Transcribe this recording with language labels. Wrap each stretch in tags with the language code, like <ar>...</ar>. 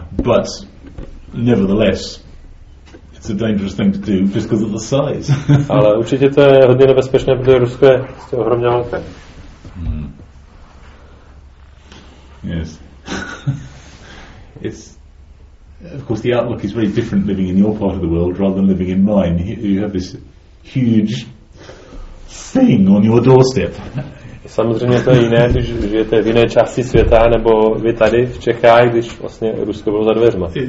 <en>But nevertheless, it's a dangerous thing to do just because of the size.</en> <cs>Ale určitě to je hodně nebezpečné, protože Rusko je ohromně velké.</cs> <en>Yes. It's of course the outlook is very different living in your part of the world rather than living in mine. You have this huge thing on your doorstep.</en> <cs>Samozřejmě to je jiné, když žijete v jiné části světa, nebo vy tady v Čechách, když vlastně Rusko bylo za dveřma.</cs>